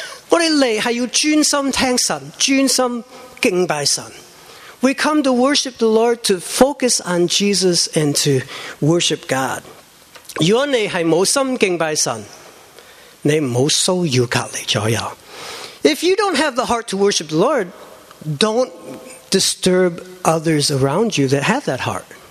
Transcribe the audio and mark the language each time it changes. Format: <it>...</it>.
<zh>我们来是要专心听神，专心敬拜神。</zh> <en>We come to worship the Lord to focus on Jesus and to worship God.</en> <zh>如果你是没心敬拜神，你不要骚扰隔壁左右。</zh> <en>If you don't have the heart to worship the Lord, don't disturb others around you that have that heart.</en>